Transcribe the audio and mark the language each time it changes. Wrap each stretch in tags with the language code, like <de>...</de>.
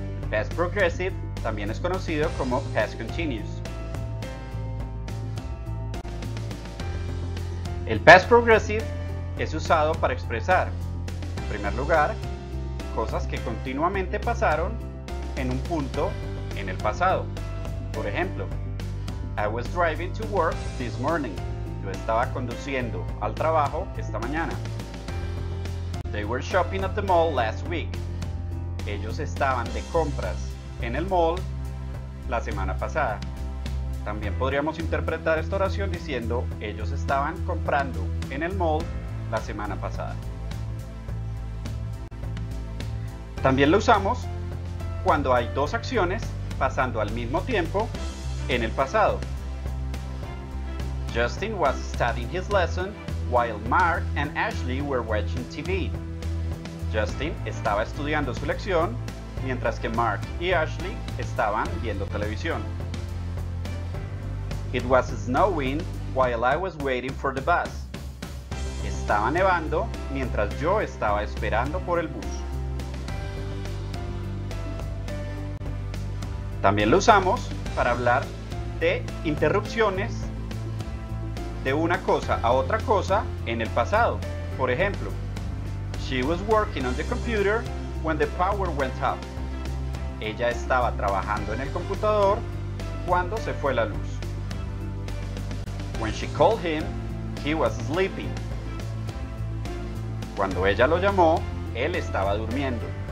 <es>Past Progressive también es conocido como Past Continuous. El Past Progressive es usado para expresar, en primer lugar, cosas que continuamente pasaron en un punto en el pasado. Por ejemplo,</es> <en>I was driving to work this morning.</en> <es>Yo estaba conduciendo al trabajo esta mañana.</es> <en>They were shopping at the mall last week.</en> <es>Ellos estaban de compras en el mall la semana pasada. También podríamos interpretar esta oración diciendo, ellos estaban comprando en el mall la semana pasada. También lo usamos cuando hay dos acciones pasando al mismo tiempo en el pasado.</es> <en>Justin was studying his lesson while Mark and Ashley were watching TV.</en> <es>Justin estaba estudiando su lección mientras que Mark y Ashley estaban viendo televisión.</es> <en>It was snowing while I was waiting for the bus.</en> <es>Estaba nevando mientras yo estaba esperando por el bus. También lo usamos para hablar de interrupciones de una cosa a otra cosa en el pasado. Por ejemplo,</es> <en>she was working on the computer when the power went out.</en> <es>Ella estaba trabajando en el computador cuando se fue la luz.</es> <en>When she called him, he was sleeping.</en> <es>Cuando ella lo llamó, él estaba durmiendo.</es>